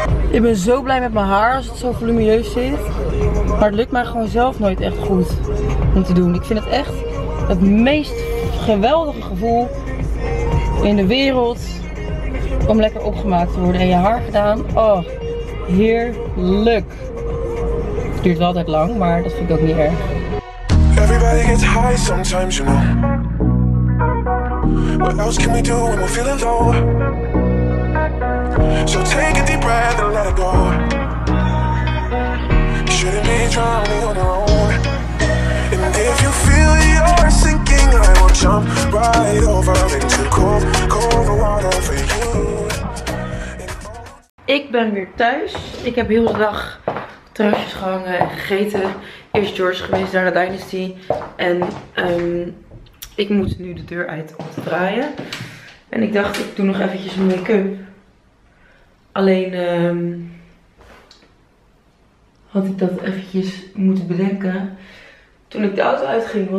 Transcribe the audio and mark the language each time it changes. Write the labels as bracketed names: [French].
[Dutch] Ik ben zo blij met mijn haar als het zo volumineus zit. Maar het lukt mij gewoon zelf nooit echt goed om te doen. Ik vind het echt het meest geweldige gevoel in de wereld. Om lekker opgemaakt te worden en je haar gedaan. Oh, heerlijk. Het duurt wel altijd lang, maar dat vind ik ook niet erg. [English] Everybody gets high sometimes, you know. What else can we do when we're feeling low? So take a deep breath and let it go. Shouldn't be drowning on your own. And if you feel you're sinking, I will jump right over into cold, cold water for you. [Dutch] Ik ben weer thuis. Ik heb heel de dag terrasjes gehangen en gegeten. Eerst George geweest, daarna Dynasty. En ik moet nu de deur uit om te draaien. En ik dacht, ik doe nog eventjes mijn make-up. Alleen had ik dat eventjes moeten bedenken toen ik de auto uitging.